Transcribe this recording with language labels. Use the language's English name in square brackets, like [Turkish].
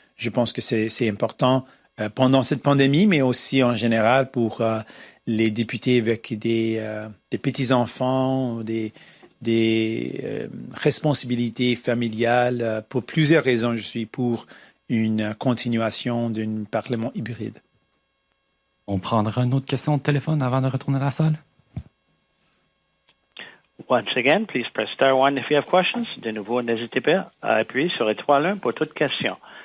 [French] Je pense que c'est important pendant cette pandémie, mais aussi en général pour les députés avec des petits-enfants, des responsabilités familiales. Pour plusieurs raisons, je suis pour une continuation d'un Parlement hybride. On prendra une autre question au téléphone avant de retourner à la salle. [English] Once again, please press star 1 if you have questions. [French] De nouveau, n'hésitez pas à appuyer sur étoile 1 pour toute question.